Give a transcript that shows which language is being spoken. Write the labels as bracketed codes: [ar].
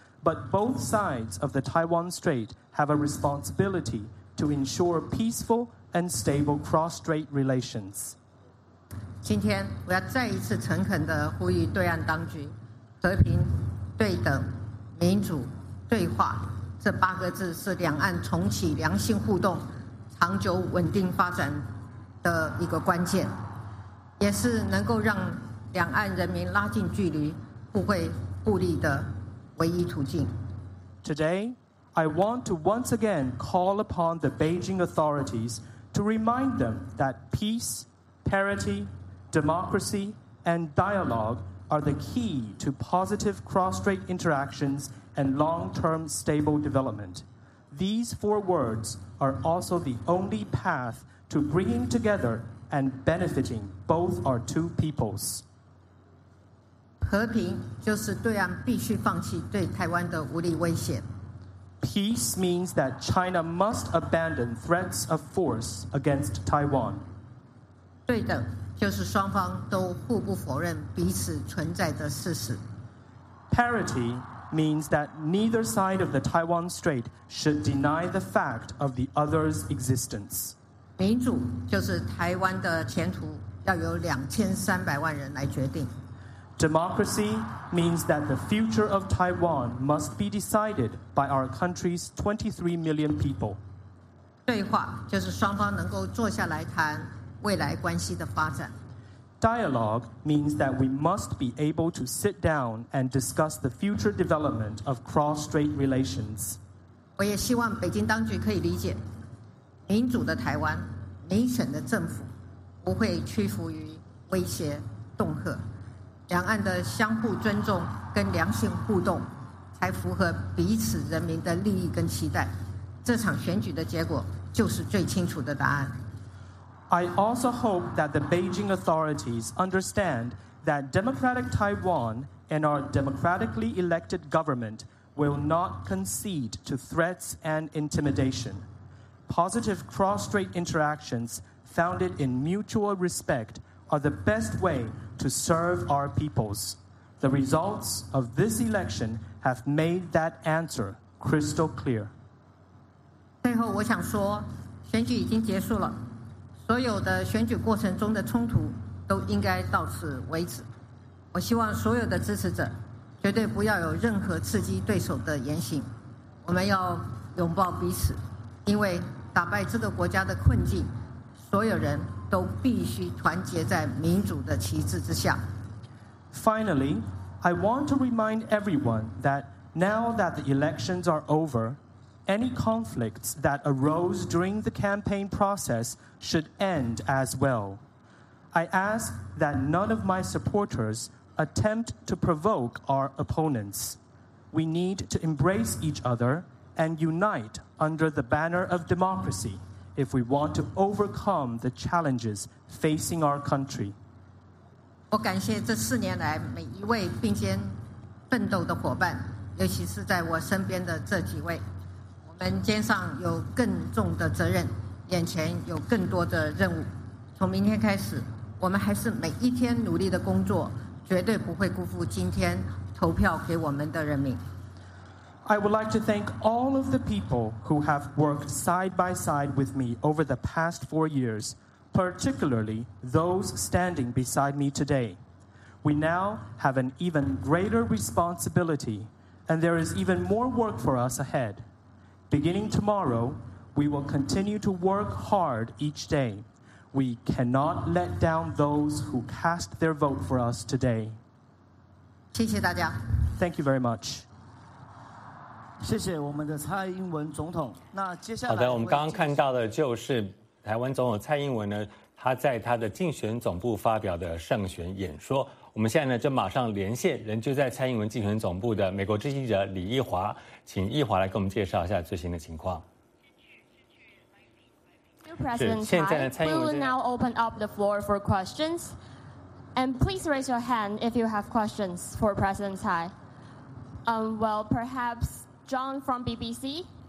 [en] But both sides of the Taiwan Strait have a responsibility to ensure peaceful and stable cross-strait relations. [zh] 今天我要再一次诚恳地呼吁对岸当局，和平、对等、民主、对话，这八个字是两岸重启良性互动、长久稳定发展的一个关键，也是能够让两岸人民拉近距离、互惠互利的唯一途径。 [en] Today, I want to once again call upon the Beijing authorities to remind them that peace, parity, democracy, and dialogue are the key to positive cross-strait interactions and long-term stable development. These four words are also the only path to bringing together and benefiting both our two peoples. [zh] 和平就是对岸必须放弃对台湾的武力威胁。 [en] Peace means that China must abandon threats of force against Taiwan. [zh] 对等就是双方都互不否认彼此存在的事实。 [en] Parity means that neither side of the Taiwan Strait should deny the fact of the other's existence. [zh] 民主就是台湾的前途要由2300万人来决定。 [en] Democracy means that the future of Taiwan must be decided by our country's 23 million people. [zh] 对话就是双方能够坐下来谈未来关系的发展。 [en] Dialogue means that we must be able to sit down and discuss the future development of cross-strait relations. [zh] 我也希望北京当局可以理解。民主的台湾，民选的政府，不会屈服于威胁恫吓。两岸的相互尊重跟良性互动，才符合彼此人民的利益跟期待。这场选举的结果，就是最清楚的答案。 [en] I also hope that the Beijing authorities understand that Democratic Taiwan and our democratically elected government will not concede to threats and intimidation. Positive cross-strait interactions founded in mutual respect are the best way to serve our peoples. The results of this election have made that answer crystal clear. [zh] 最后我想说，选举已经结束了，所有的选举过程中的冲突都应该到此为止。我希望所有的支持者绝对不要有任何刺激对手的言行，我们要拥抱彼此，因为打败这个国家的困境，所有人都必须团结在民主的旗帜之下。 [en] Finally, I want to remind everyone that now that the elections are over, any conflicts that arose during the campaign process should end as well. I ask that none of my supporters attempt to provoke our opponents. We need to embrace each other and unite under the banner of democracy if we want to overcome the challenges facing our country. [zh] 我感谢这四年来每一位并肩奋斗的伙伴，尤其是在我身边的这几位。我们肩上有更重的责任，眼前有更多的任务。从明天开始，我们还是每一天努力的工作，绝对不会辜负今天投票给我们的人民。 [en] I would like to thank all of the people who have worked side by side with me over the past 4 years. Particularly those standing beside me today. We now have an even greater responsibility, and there is even more work for us ahead. Beginning tomorrow, we will continue to work hard each day. We cannot let down those who cast their vote for us today. [zh] 谢谢大家。 [en] Thank you very much. [zh] 谢谢我们的蔡英文总统。那接下来好的，我们刚刚看到的就是台湾总统蔡英文呢，他在他的竞选总部发表的胜选演说。我们现在呢就马上连线人就在蔡英文竞选总部的美国之记者李奕华，请奕华来给我们介绍一下最新的情况。 [en] 现在呢，蔡英文 We will now open up the floor for questions, and please raise your hand if you have questions for President Tsai. Well, perhaps John from BBC.